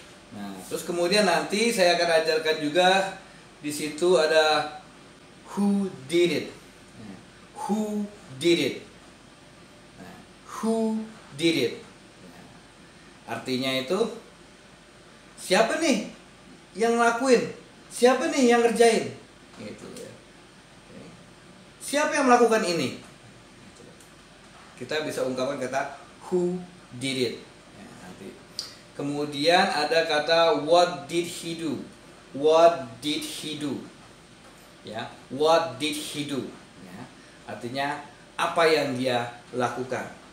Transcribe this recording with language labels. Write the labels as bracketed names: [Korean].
[Indonesian] Nah, terus kemudian nanti saya akan ajarkan juga di situ ada [English] who did it, who did it, who did it, [Indonesian] artinya itu siapa nih yang ngelakuin? Siapa nih yang ngerjain? Gitu ya. Siapa yang melakukan ini? Kita bisa ungkapkan kata [English] who did it. [Indonesian] Ya, nanti. Kemudian ada kata [English] what did he do? What did he do? Ya, what did he do? [Indonesian] Ya, artinya apa yang dia lakukan?